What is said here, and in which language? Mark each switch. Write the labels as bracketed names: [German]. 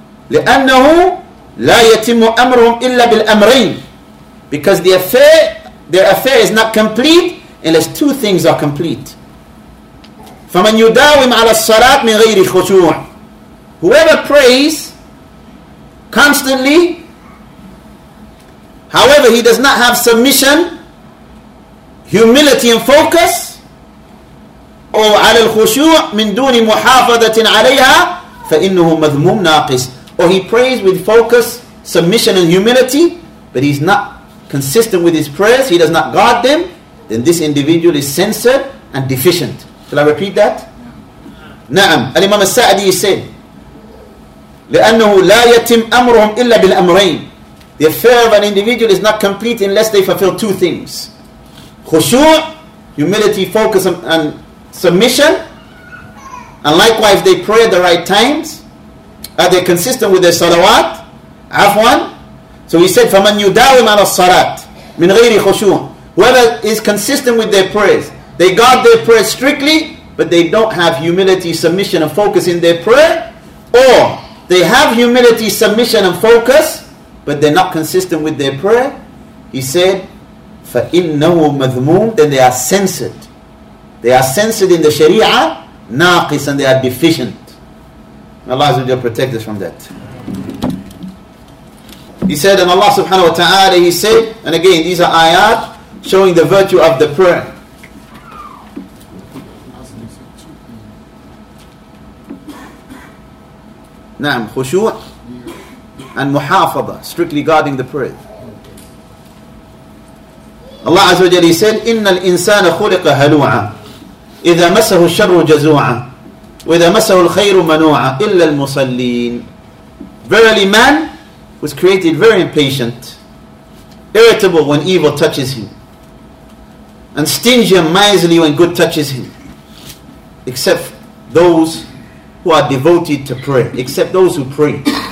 [Arabic] لأنه لا يتم أمرهم إلا بالأمرين. [English] Because their affair is not complete unless two things are complete. [Arabic] فمن يداوم على الصلاة من غير خشوع. [English] Whoever prays constantly, however he does not have submission, humility and focus, [Arabic] أو على الخشوع من دون محافظة عليها فإنه مذموم ناقص. [English] Or he prays with focus, submission and humility, but he's not consistent with his prayers, he does not guard them, then this individual is censored and deficient. Shall I repeat that? نعم. [Arabic] الإمام السعدي said, لأنه لا يتم أمرهم إلا بالأمرين. [English] The affair of an individual is not complete unless they fulfill two things. خشوع, humility, focus and submission. And likewise, they pray at the right times. Are they consistent with their salawat? Afwan. So he said, [Arabic] فَمَنْ يُدَاوِمْ عَلَى الصَّلَاةِ مِنْ غَيْرِ خُشُوعٍ. [English] Whoever is consistent with their prayers, they guard their prayers strictly, but they don't have humility, submission, and focus in their prayer. Or they have humility, submission, and focus, but they're not consistent with their prayer. He said, [Arabic] فَإِنَّهُ مَذْمُومٌ. [English] Then they are censored. They are censored in the Sharia, naqis, and they are deficient. May Allah Azza wa Jalla protect us from that. He said, and Allah subhanahu wa ta'ala, he said, and again, these are ayat showing the virtue of the prayer. Na'am, khushu' and muhafadah, strictly guarding the prayer. Allah Azza wa Jalla said, [Arabic] إِنَّ الْإِنسَانَ خُلِقَ هَلُوعًا إِذَا مَسَّهُ الشَّرُّ جَزُوعًا وَإِذَا مَسَّهُ الْخَيْرُ مَنُوعًا إِلَّا الْمُصَلِّينَ. [English] Verily man was created very impatient, irritable when evil touches him, and stingy and miserly when good touches him, except those who are devoted to prayer, except those who pray.